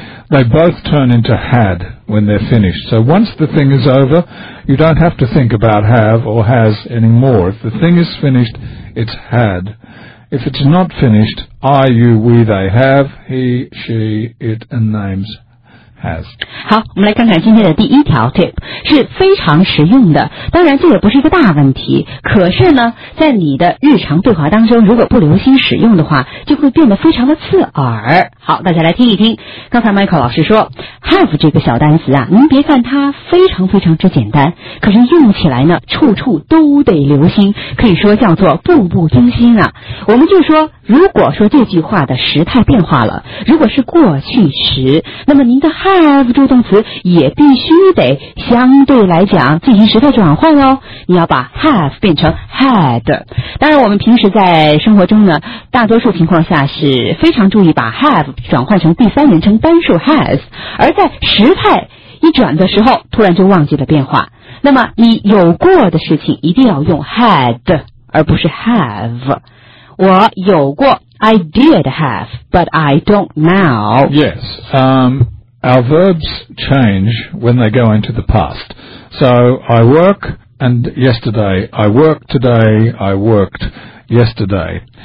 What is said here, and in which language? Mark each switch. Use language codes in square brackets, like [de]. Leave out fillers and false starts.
[en] They both turn into had when they're finished. So once the thing is over, you don't have to think about have or has anymore. If the thing is finished, it's had. If it's not finished, I, you, we, they have, he, she, it, and names has. [zh] 好，我们来看看今天的第一条 tip， 是非常实用的。当然这也不是一个大问题，可是呢，在你的日常对话当中，如果不留心使用的话，就会变得非常的刺耳。好，大家来听一听，刚才 Michael 老师说 have 这个小单词啊，您别看它非常非常之简单，可是用起来呢，处处都得留心，可以说叫做步步惊心啊。我们就说，如果说这句话的时态变化了，如果是过去时，那么您的 have 助动词也必须得相对来讲进行时态转换哦。你要把 have 变成 had。当然，我们平时在生活中呢，大多数情况下是非常注意把 have转换成第三人称单数 has， 而在时态一转的时候突然就忘记了变化，那么你有过的事情一定要用 had 而不是 have。我有过 [en] I did have but I don't now. Yes, our verbs change when they go into the past. So I work and yesterday, I work today, I workedyesterday.